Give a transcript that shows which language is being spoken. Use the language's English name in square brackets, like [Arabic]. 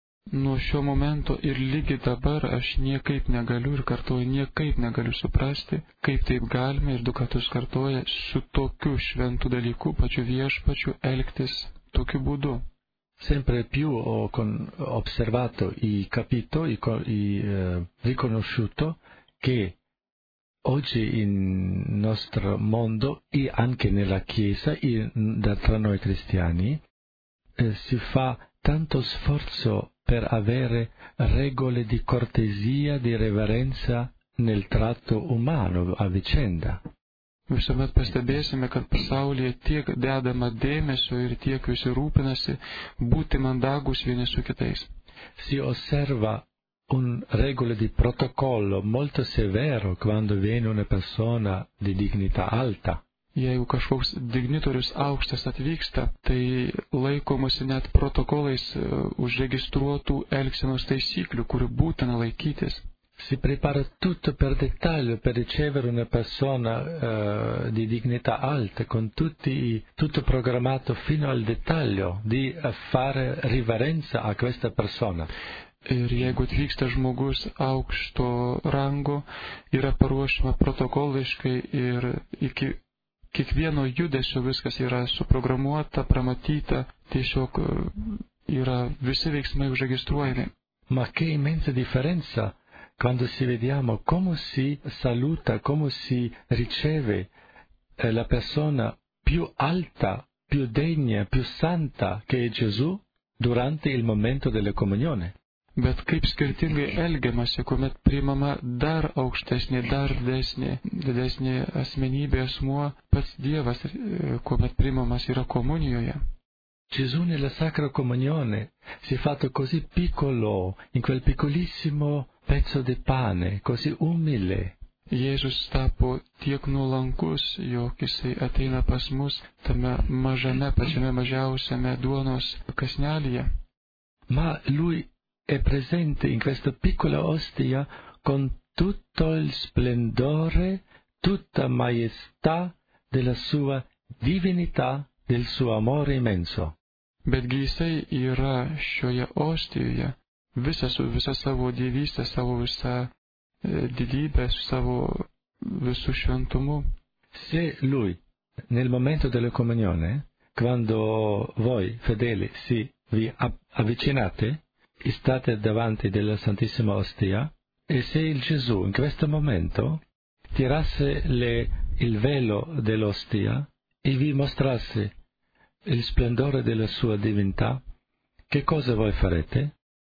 [Lithuanian] Nuo šio momento ir lygi dabar aš niekaip negaliu ir kartuoju niekaip negaliu suprasti, kaip taip galime ir du kartus kartuoja su tokiu šventu dalyku, pačiu viešpačiu, elgtis tokiu būdu. [Italian] Sempre più ho osservato e capito riconosciuto che oggi in nostro mondo e anche nella Chiesa e tra noi cristiani si fa tanto sforzo per avere regole di cortesia, di reverenza nel tratto umano a vicenda. [Lithuanian] Visuomet pastebėsime, kad pasaulyje tiek dedama dėmesio ir tiek visi rūpinasi būti mandagus vieni su kitais. [Italian] Si osserva un regole di protocollo molto severo quando viene una persona di dignità alta. [Lithuanian] Jeigu kažkoks dignitorius aukštas atvyksta, tai laikomasi net protokolais užregistruotų elgsenos taisyklių, kurių būtina laikytis. [Italian] Si prepara tutto per dettaglio per ricevere una persona di dignità alta, con tutto programmato fino al dettaglio di fare riverenza a questa persona. [Lithuanian] Ir jeigu atvyksta žmogus aukšto rango, yra paruošima protokoliškai ir iki kiekvieno judesio viskas yra suprogramuota, pramatyta, tiesiog yra visi veiksmai užregistruojami. [Italian] Ma che immensa differenza quando si vediamo come si saluta, come si riceve la persona più alta, più degna, più santa che è Gesù durante il momento della comunione. [Lithuanian] Bet kaip skirtingai elgiamasi, kuomet priimama dar aukštesnė, dar didesnė asmenybė, asmuo, pats Dievas, kuomet priimamas yra komunijoje. [Italian] Gesù nella Sacra Comunione si è fatto così piccolo, in quel piccolissimo pezzo di pane, così umile. [Lithuanian] Jėzus tapo tiek nuolankus, jog jisai ateina pas mus tame mažame, pačiame mažiausiame duonos kasnelyje. [Italian] Ma lui è presente in questa piccola ostia con tutto il splendore, tutta maestà della sua divinità, del suo amore immenso. [Lithuanian] Betgi jisai yra šioje ostijoje visa savo dievystė, savo visa didybė, savo visų šventumu. [Italian] Se lui nel momento della comunione, quando voi, fedeli, sì, vi avvicinate, state davanti della Santissima Ostia, e se il Gesù in questo momento tirasse il velo dell'ostia e vi mostrasse il splendore della sua divinità, che cosa voi farete?